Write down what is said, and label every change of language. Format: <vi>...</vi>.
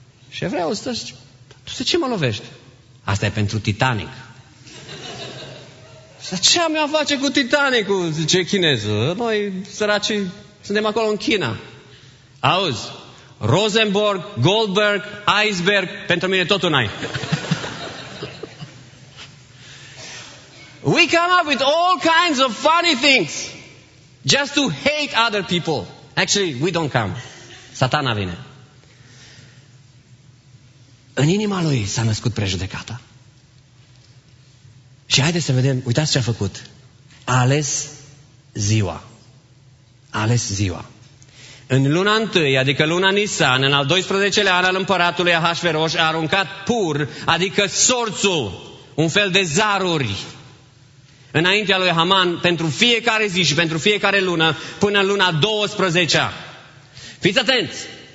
<ro>Și evreul stă și tu de ce mă lovești? Asta e pentru Titanic. Dar ce am eu a face cu Titanicul? Zice chinezul. Noi, săracii, suntem acolo în China. Auzi, Rosenborg, Goldberg, Iceberg, pentru mine totul n-ai.</ro> <en>We come up with all kinds of funny things just to hate other people. Actually, we don't come.</en> <ro>Satana vine. În inima lui s-a născut prejudecata. Și haideți să vedem, uitați ce a făcut. A ales ziua. A ales ziua. În luna întâi, adică luna Nisan, în al 12-lea an al împăratului Ahasveros, a aruncat Pur, adică sorțul, un fel de zaruri, înaintea lui Haman, pentru fiecare zi și pentru fiecare lună, până în luna 12-a. Fiți atenți!</ro>